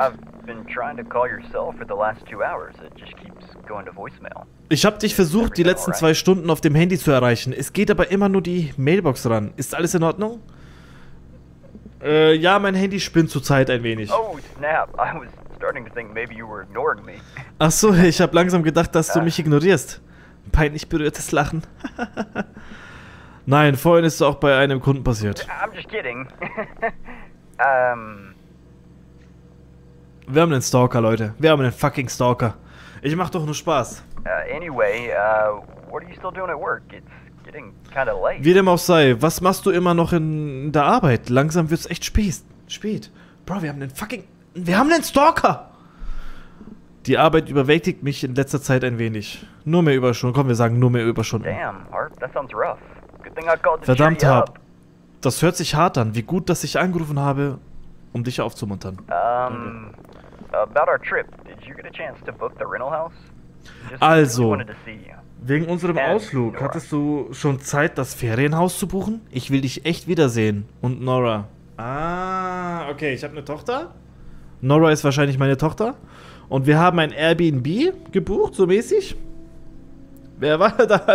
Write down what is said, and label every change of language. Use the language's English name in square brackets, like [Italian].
[English] I've been trying to call your cell for the last 2 hours. It just keeps going to voicemail. [German] Ich habe dich versucht, die letzten 2 Stunden auf dem Handy zu erreichen. Es geht aber immer nur die Mailbox ran. Ist alles in Ordnung? Ja, mein Handy spinnt zurzeit ein wenig. [English] Oh, snap. I was starting to think maybe you were ignoring me. [German] Ach so, ich habe langsam gedacht, dass du mich ignorierst. Peinlich berührtes Lachen. Nein, vorhin ist es auch bei einem Kunden passiert. [English] I'm just kidding. [German] Wir haben einen Stalker, Leute. Wir haben einen fucking Stalker. Ich mach doch nur Spaß. [English] Anyway, what are you still doing at work? It's getting kind of late. [German] Wie dem auch sei, was machst du immer noch in der Arbeit? Langsam wird's echt spät. Bro, wir haben einen Stalker! Die Arbeit überwältigt mich in letzter Zeit ein wenig. Nur mehr Überstunden. Komm, wir sagen nur mehr Überstunden. [English] Damn, Harp, that sounds rough. [German] Verdammt, das hört sich hart an. Wie gut, dass ich angerufen habe, um dich aufzumuntern. [English] About our trip, did you get a chance to book the rental house? [German] Also, wegen unserem Ausflug, hattest du schon Zeit, das Ferienhaus zu buchen? Ich will dich echt wiedersehen. Und Nora. Ah, okay, ich habe eine Tochter. Nora ist wahrscheinlich meine Tochter. Und wir haben ein Airbnb gebucht, so mäßig. Wer war da?